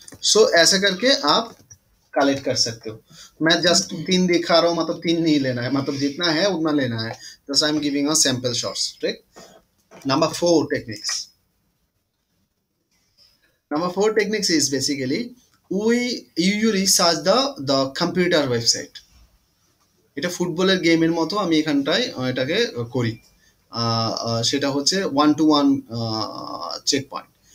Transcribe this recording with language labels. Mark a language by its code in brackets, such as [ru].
[hi] So এসে করকে up collect कर सकते हो। मैं जस्ट तीन दिखा रहा हूँ, मतलब तीन नहीं लेना है, मतलब जितना है उतना लेना है। [en] Just I am giving a sample shots. ठीक, number four techniques, number four techniques is basically we usually search the the computer website. [bn] এটা ফুটবলের গেমের মতো আমি এখানটাই এটাকে করি, সেটা হচ্ছে [en] One two one check point.